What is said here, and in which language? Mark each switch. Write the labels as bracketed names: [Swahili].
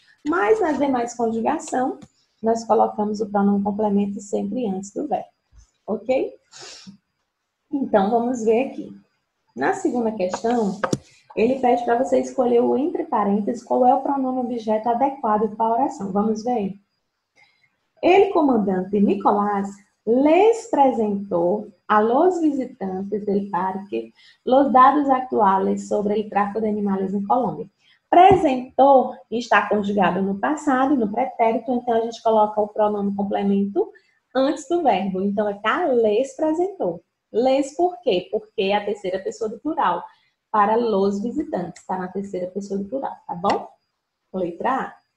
[Portuguese] Mas nas demais conjugação, nós colocamos o pronome complemento sempre antes do verbo, ok? Então, vamos ver aqui. Na segunda questão, ele pede para você escolher o entre parênteses qual é o pronome objeto adequado para a oração. Vamos ver. [Spanish] El comandante Nicolás les presentó a los visitantes del parque los dados actuales sobre el tráfico de animales en Colombia. [Portuguese] Presentou está conjugado no passado, no pretérito, então a gente coloca o pronome complemento antes do verbo. Então, é cá, les presentou. Les por quê? Porque é a terceira pessoa do plural. Para los visitantes, está na terceira pessoa do plural, tá bom? Letra A.